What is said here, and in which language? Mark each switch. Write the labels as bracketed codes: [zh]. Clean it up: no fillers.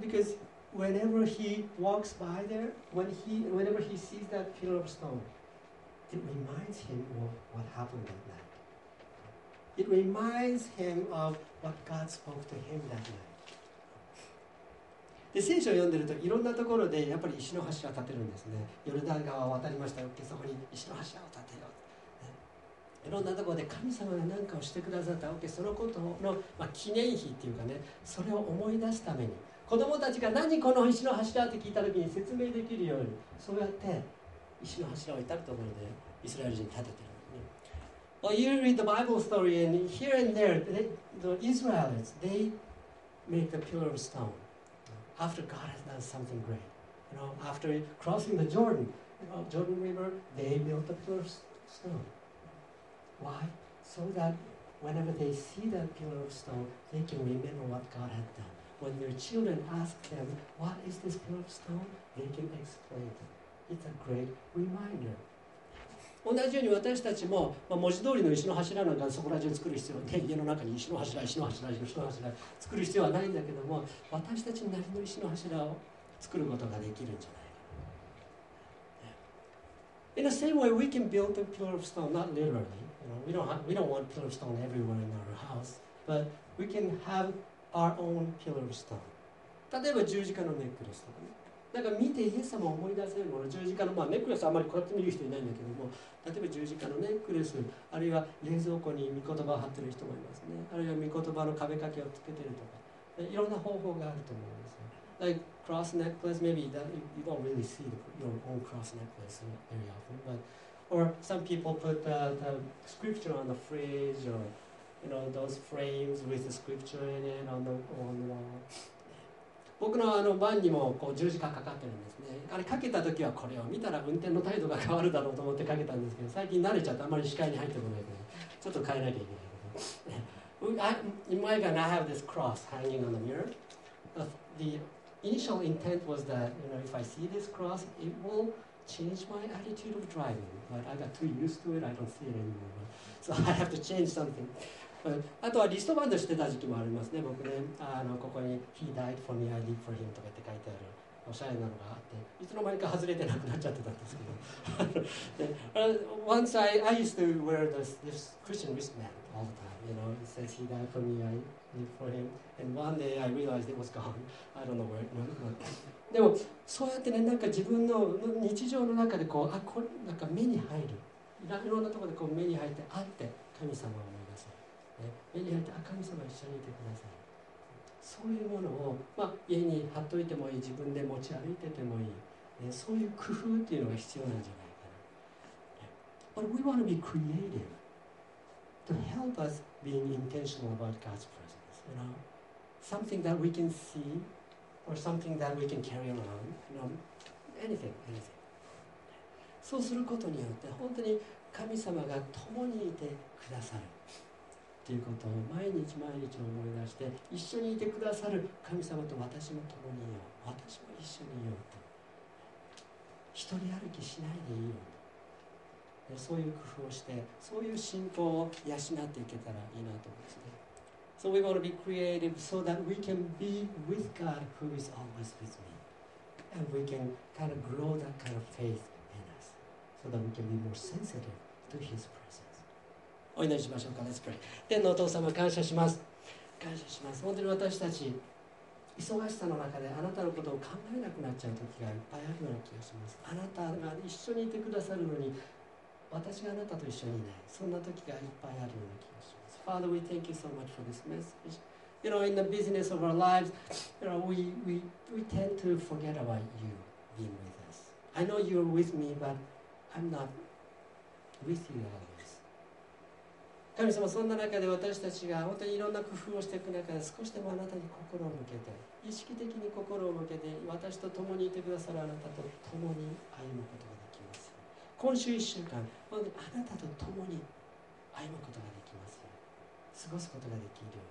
[en] Because whenever he walks by there, whenever he sees that pillar of stone, it reminds him of what happened that night. It reminds him of what God spoke to him that night. [ja] で、聖書を読んでると、いろんなところでやっぱり石の柱を建てるんですね。ヨルダン川を渡りましたよって、そこに石の柱を建てよう。いろんなところで神様が何かをしてくださったわけ、そのことの、まあ、記念碑っていうかね、それを思い出すために、子供たちが何この石の柱って聞いたときに説明できるように、そうやって石の柱を至るところでイスラエル人に建ててる。 [en] Well, you read the Bible story, and here and there, the Israelites, they make the pillar of stone after God has done something great. You know, after crossing the Jordan, Jordan River, they built the pillar of stone. Why? So that whenever they see that pillar of stone, they can remember what God had done. When their children ask them, what is this pillar of stone? They can explain it. It's a great reminder. [ja] 同じように私たちも、まあ、文字通りの石の柱なんかそこら中作る必要は、ね、家の中に石の柱、石の柱、石の柱作る必要はないんだけども、私たちなりの石の柱を作ることができるんじゃないか。 [en] In the same way, we can build a pillar of stone, not literally. You know, we don't want a pillar of stone everywhere in our house, but we can have our own pillar of stone. [ja] 例えば十字架のネックレスとかね、なんか見てイエス様を思い出せるもの、十字架の、まあ、ネックレスはあまりこうやって見る人いないんだけども、例えば十字架のネックレス、あるいは冷蔵庫に御言葉を貼ってる人もいますね、あるいは御言葉の壁掛けをつけてるとか、いろんな方法があると思うんですよ。 [en] Like cross necklace, maybe that you don't really see your own cross necklace very often, but or some people put the scripture on the fridge, or you know those frames with the scripture in it on the wall. [ja] 僕のあの番にもこう十字架かかってるんですね。あれかけた時はこれを見たら運転の態度が変わるだろうと思ってかけたんですけど、最近慣れちゃってあんまり視界に入ってこないので、ちょっと変えなきゃいけないけど。 [en] In my garden, I have this cross hanging on the mirror. The initial intent was that, you know, if I see this cross, it will change my attitude of driving. But I got too used to it, I don't see it anymore. So I have to change something. [ja] あとはリストバンドしてた時期もありますね。僕ね、ここに [en] He died for me, I live for him [ja] とかって書いてあるおしゃれなのがあって、いつの間にか外れてなくなっちゃってたんですけど。 [en] Once I used to wear this Christian wristband all the time. You know, it says He died for me, I live for him. And one day I realized it was gone. I don't know where. [ja] でもそうやってね、なんか自分の日常の中でこう、あ、これなんか目に入る。いろんなところでこう目に入ってあって神様を。目に入って神様一緒にいてください。そういうものを、まあ、家に貼っといてもいい、自分で持ち歩いててもいい、ね、そういう工夫っていうのが必要なんじゃないかな。 [en] But we want to be creative to help us being intentional about God's presence, you know? Something that we can see or something that we can carry around, you know? Anything. [ja] そうすることによって本当に神様が共にいてくださるということを毎日毎日思い出して、一緒にいてくださる神様と私も共にいよう、私も一緒にいようと、一人歩きしないでいいよと、そういう工夫をして、そういう信仰を養っていけたらいいなと思うんですね。 [en] So we want to be creative so that we can be with God who is always with me, and we can kind of grow that kind of faith in us so that we can be more sensitive to His presence [ja] お祈りしましょうか。 [en] Let's pray. [ja] 天のお父様、感謝します。感謝します。本当に私たち、忙しさの中であなたのことを考えなくなっちゃう時がいっぱいあるような気がします。あなたが一緒にいてくださるのに、私があなたと一緒にいない。そんな時がいっぱいあるような気がします。 [en] Father, we thank you so much for this message. You know, in the business of our lives, you know, we tend to forget about you being with us. I know you're with me, but I'm not with you at all. [ja] 神様、そんな中で私たちが本当にいろんな工夫をしていく中で、少しでもあなたに心を向けて、意識的に心を向けて、私と共にいてくださるあなたと共に歩むことができます。今週1週間、本当にあなたと共に歩むことができます。過ごすことができる。